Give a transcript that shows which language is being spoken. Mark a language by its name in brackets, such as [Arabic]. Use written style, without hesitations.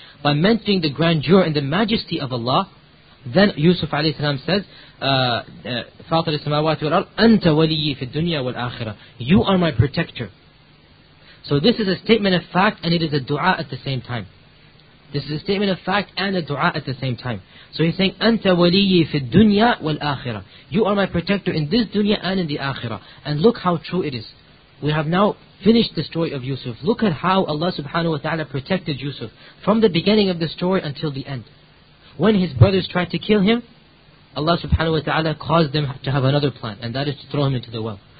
[English] By mentioning the grandeur and the majesty of Allah, then Yusuf alayhi salam says, [Arabic] فاطر السماوات والأرض أنت ولي في الدنيا والآخرة. [English] You are my protector. So this is a statement of fact, and it is a dua at the same time. This is a statement of fact and a dua at the same time. So he's saying [Arabic] أنت ولي في الدنيا والآخرة. [English] You are my protector in this dunya and in the akhira. And look how true it is. We have now finished the story of Yusuf. Look at how Allah subhanahu wa ta'ala protected Yusuf from the beginning of the story until the end. When his brothers tried to kill him, Allah subhanahu wa ta'ala caused them to have another plan, and that is to throw him into the well.